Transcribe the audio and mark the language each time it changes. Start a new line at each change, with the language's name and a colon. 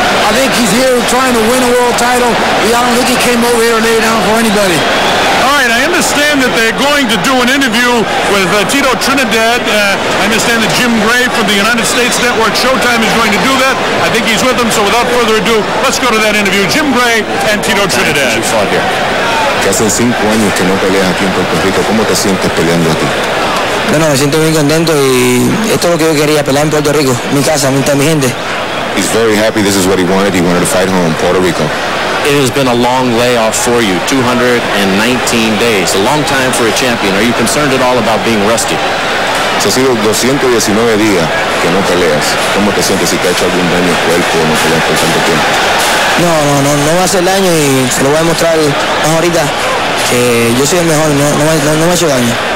English: I think he's here trying to win a world title. I don't think he came over here and laid down for anybody. I understand that they're going to do an interview with Tito Trinidad. I understand that Jim Gray from the United States Network Showtime is going to do that. I think he's with them, so without further ado, let's go to that interview. Jim Gray and Tito Trinidad.
Spanish: Que hace 5 años que no peleas aquí en Puerto Rico. ¿Cómo te sientes peleando aquí? Bueno, me siento bien contento y esto es lo que yo quería, pelear en Puerto Rico, mi casa, mi gente.
English: He's very happy. This is what he wanted. He wanted to fight home in Puerto Rico. It has been a long layoff for you, 219 days, a long time for a champion. Are you concerned at all about being rusty?
Spanish: Ha sido 219 días que no peleas. ¿Cómo te sientes? Si te ha hecho algún daño al cuerpo, no peleas por tanto tiempo. No va a hacer daño y se lo voy a mostrar ahorita que yo soy el mejor, no me ha hecho daño.